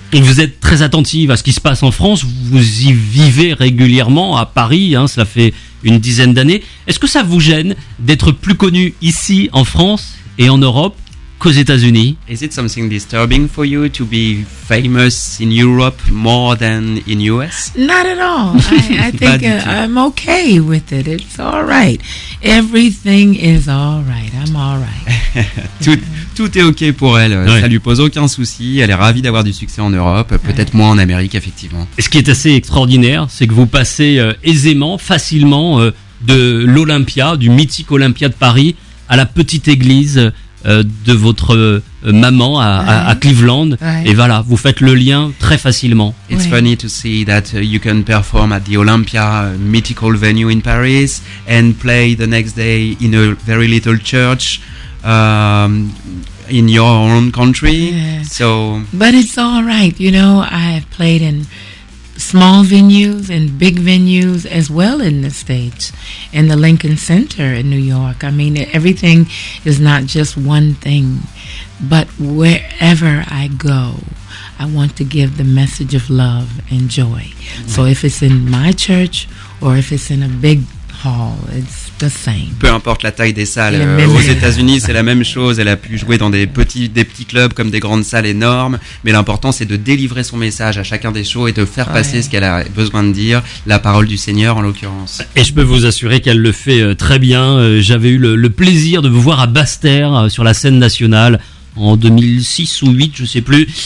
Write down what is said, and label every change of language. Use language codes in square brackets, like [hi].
[fr] Et vous êtes très attentive à ce qui se passe en France, vous y vivez régulièrement à Paris, hein, ça fait une dizaine d'années. Est-ce que ça vous gêne d'être plus connu ici en France et en Europe qu'aux États-Unis? [en] Is it something disturbing for you to be famous in Europe more than in US? Not at all. I think I'm okay with it. It's all right. Everything is all right. I'm all right. [fr] Tout est ok pour elle. Ouais. Ça lui pose aucun souci. Elle est ravie d'avoir du succès en Europe. Peut-être moins en Amérique, effectivement. Et ce qui est assez extraordinaire, c'est que vous passez aisément, facilement, de l'Olympia, du mythique Olympia de Paris, à la petite église de votre maman à Cleveland, et voilà, vous faites le lien très facilement. [en] It's funny to see that you can perform at the Olympia, mythical venue in Paris, and play the next day in a very little church in your own country. Yeah. So, but it's all right, you know. I've played in small venues and big venues as well in the States, in the Lincoln Center in New York. I mean, everything is not just one thing, but wherever I go, I want to give the message of love and joy. So if it's in my church or if it's in a big hall, it's the same. [fr] Peu importe la taille des salles, aux États-Unis, c'est la même chose. Elle a pu jouer dans des petits clubs comme des grandes salles énormes. Mais l'important, c'est de délivrer son message à chacun des shows et de faire passer ce qu'elle a besoin de dire, la parole du Seigneur en l'occurrence. Et je peux vous assurer qu'elle le fait très bien. J'avais eu le plaisir de vous voir à Basse-Terre sur la scène nationale en 2006 ou 2008, je ne sais plus.